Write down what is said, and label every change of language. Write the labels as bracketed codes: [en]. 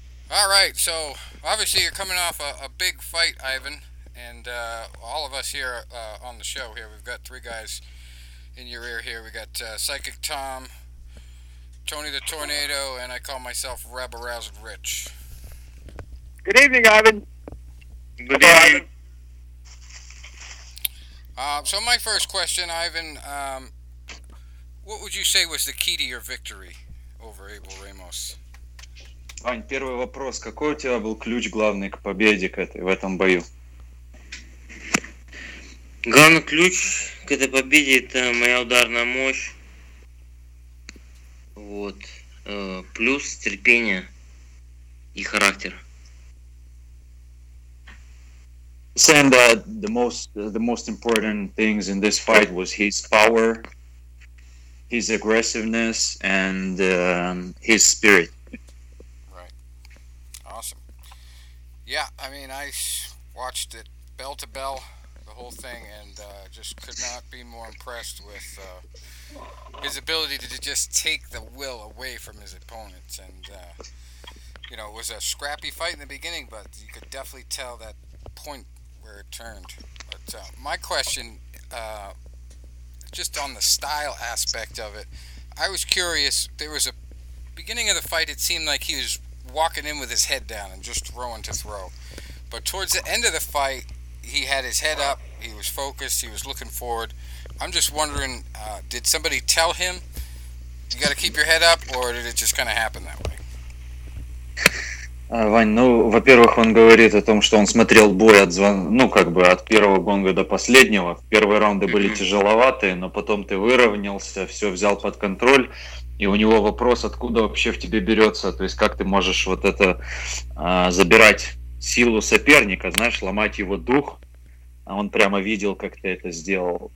[en] All right, so obviously you're coming off a big fight, Ivan, and all of us here on the show here, we've got three guys in your ear here. We got Psychic Tom, Tony the Tornado, and I call myself Rabble Rouser Rich. Good evening, Ivan. Good evening. So my first question, Ivan, what would you say was the key to your victory over Abel Ramos? [ru] Вань, первый вопрос. Какой у тебя был ключ главный к победе к этой, в этом бою? Главный ключ к этой победе — это моя ударная мощь. Вот. Плюс терпение и характер. [en] Saying that the most important things in this fight was his power, his aggressiveness, and his spirit. Yeah, I mean, I watched it bell to bell, the whole thing, and just could not be more impressed with his ability to just take the will away from his opponents. And, you know, it was a scrappy fight in the beginning, but you could definitely tell that point where it turned. But my question, just on the style aspect of it, I was curious. There was a beginning of the fight, it seemed like he was walking in with his head down and just throwing to throw. But towards the end of the fight, he had his head up, he was focused, he was looking forward. I'm just wondering, did somebody tell him, you gotta keep your head up, or did it just kinda happen that way? [ru] Вань, ну, во-первых, он говорит о том, что он смотрел бой от от первого гонга до последнего. Первые раунды были тяжеловатые, но потом ты выровнялся, все взял под контроль. И у него вопрос, откуда вообще в тебе берется, то есть как ты можешь вот это забирать силу соперника, знаешь, ломать его дух, а он прямо видел, как ты это сделал.